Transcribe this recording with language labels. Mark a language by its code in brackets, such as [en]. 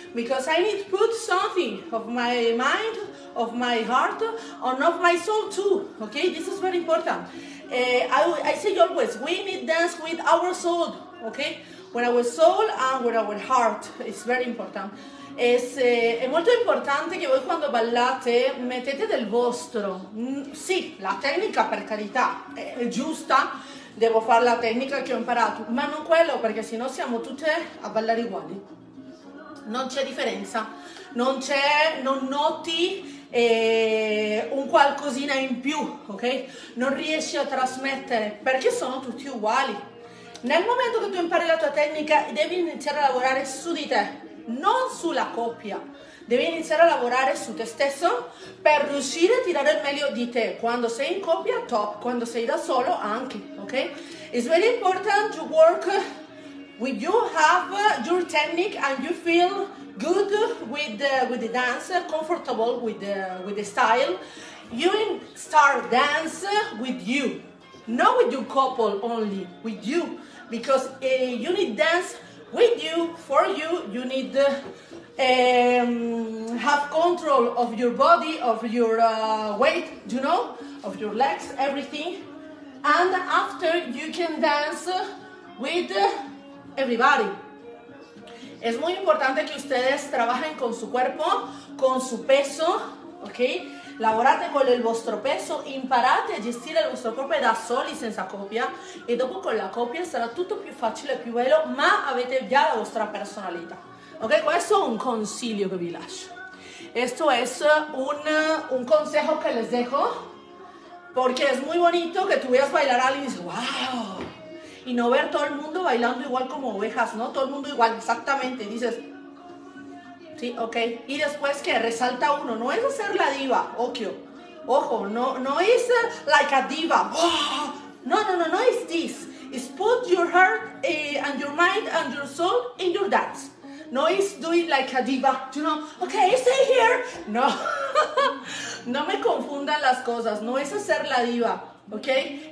[en] Because I need to put something of my mind, of my heart, and of my soul too, okay? This is very important. I say always, we need dance with our soul, okay? With our soul and with our heart, it's very important. [it] Es molto importante che voi quando ballate mettete del vostro. Sì, la tecnica per carità è giusta, devo fare la tecnica che ho imparato, ma non quello, perché sennò siamo tutte a ballare uguali. Non c'è differenza, non noti un qualcosina in più, ok? Non riesci a trasmettere, perché sono tutti uguali. Nel momento che tu impari la tua tecnica devi iniziare a lavorare su di te, non sulla coppia. Devi iniziare a lavorare su te stesso per riuscire a tirare il meglio di te. Quando sei in coppia, top. Quando sei da solo, anche, ok? [en] It's very important to work with you have your technique and you feel good with the dance, comfortable with the style. You start dance with you, not with your couple only, with you. Because you need dance with you, for you, you need have control of your body, of your weight, you know, of your legs, everything. And after, you can dance with everybody. [es] Es muy importante que ustedes trabajen con su cuerpo, con su peso, ok? [it] Lavorate con il vostro peso, imparate a gestire il vostro corpo da soli senza coppia e dopo con la coppia sarà tutto più facile e più bello, ma avete già la vostra personalità. Ok, questo è un consiglio che vi lascio. [es] Esto es un consejo que les dejo, porque es muy bonito que tú veas bailar a alguien y dices, wow, y no ver todo el mundo bailando igual como ovejas, ¿no? Todo el mundo igual, exactamente, dices... Sí, ok. Y después que resalta uno, no es hacer la diva, okio. Ojo, no es [en] like a diva. Oh, [es] no es [en] this. It's put your heart and your mind and your soul in your dance. [es] No es [en] do it like a diva. You know, okay, stay here. No. [es] No me confundan las cosas. No es hacer la diva, okay?